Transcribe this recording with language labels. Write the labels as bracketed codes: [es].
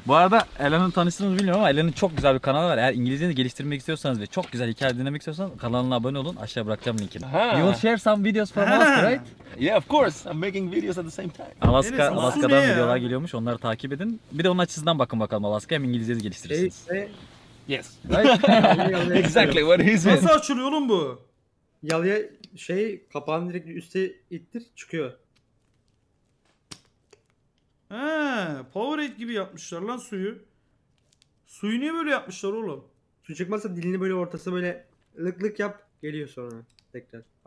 [tr] Bu arada Alan'ın tanıştığınızı bilmiyorum ama Alan'ın çok güzel bir kanalı var. Eğer İngilizcenizi geliştirmek istiyorsanız ve çok güzel hikaye dinlemek istiyorsanız kanalına abone olun. Aşağı bırakacağım linkini. Ha. [en] You will share some videos from us, right? Yeah, of course. I'm making videos at the same time. [tr] Alaska, evet, Alaska'dan videolar geliyormuş. Onları takip edin. Bir de onun açısından bakın bakalım Alaska'ya. Hem İngilizcenizi geliştirirsiniz. [en] Yes. Exactly what he's saying. [tr] Nasıl açılıyor oğlum bu? Yalıya şey, kapağını direkt üste ittir, çıkıyor. He, Powerade gibi yapmışlar lan suyu. Suyu niye böyle yapmışlar oğlum? Su çıkmazsa dilini böyle ortası böyle lık lık yap, geliyor sonra tekrar.